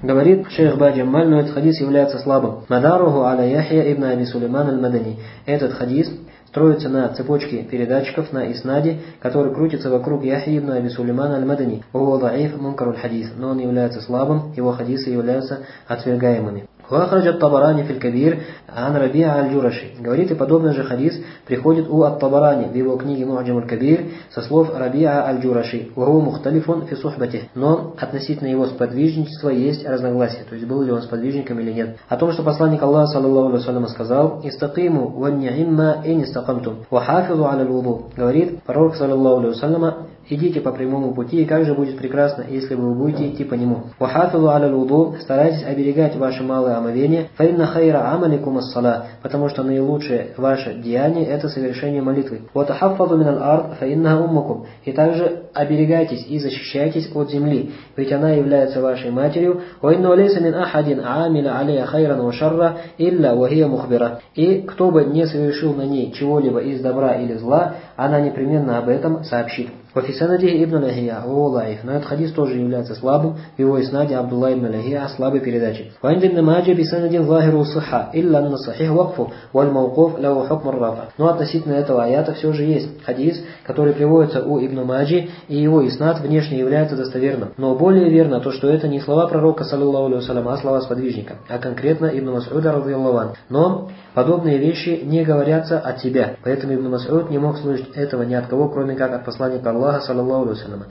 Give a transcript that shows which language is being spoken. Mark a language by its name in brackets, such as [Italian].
[Russian] Говорит шейх Баджамаль, но этот хадис является слабым. [Arabic] «Мадаруху аля Яхья ибн Аби Сулейман аль-Мадани». [Russian] Этот хадис строится на цепочке передатчиков на иснаде, который крутится вокруг Яхьи ибн Аби Сулеймана аль-Мадани. [Arabic] «Ва хуа даиф мункарул хадис». [Russian] Но он является слабым, его хадисы являются отвергаемыми. [Arabic] وأخرج الطبراني في الكبير عن ربيع الجرشي. [Russian] Говорит, и подобный же хадис приходит у الطبراني в его книге «Муаджим الكبير» со слов ربيع الجرشي. [Arabic] وهو مختلف في صحبته. [Russian] Но относительно его сподвижничества есть разногласия. То есть был ли он сподвижником или нет. О том, что посланник Аллаха, саллаллаху алейхи ва саллям, сказал [Arabic] «Истакиму ванниимма инистакамтум». وحافظوا على الوضوء. [Russian] Говорит пророк, саллаллаху алейхи ва саллям, идите по прямому пути, и как же будет прекрасно, если вы будете идти по нему. [Arabic] وحافظوا على الوضوء. [Russian] Старайтесь оберегать ваши малые омовения. [Arabic] فإن خير عملكم الصلاة. [Russian] Потому что наилучшее ваше деяние – это совершение молитвы. [Arabic] وتحفظوا من الأرض فإنها أمكم. [Russian] И также оберегайтесь и защищайтесь от земли, ведь она является вашей матерью. [Arabic] وإنه ليس من أحد عامل عليها خيرا وشرا إلا وهي مخبرة. [Russian] И кто бы не совершил на ней чего-либо из добра или зла, она непременно об этом сообщит. [Arabic] وفي سنده ابن لهيعة وهو ضعيف. [Russian] Но этот хадис тоже является слабым, в его иснаде Абдулла ибн Лахия слабой передачи. [Arabic] وعند ابن ماجه بسند ظاهر الصحة إلا أن الصحيح وقفه والموقوف له حكم الرفع. [Russian] Но относительно этого аята все же есть хадис, который приводится у ابن ماجه, и его иснад внешне является достоверным. Но более верно то, что это не слова пророка саллаллаху алейхи ва саллям, а слова сподвижника, а конкретно ибн Масуда радиаллаху анху. Но подобные вещи не говорятся от тебя, поэтому ибн Масуд не мог слышать этого ни от кого, кроме как от посланника Аллаха, саллаллаху алейхи ва саллям.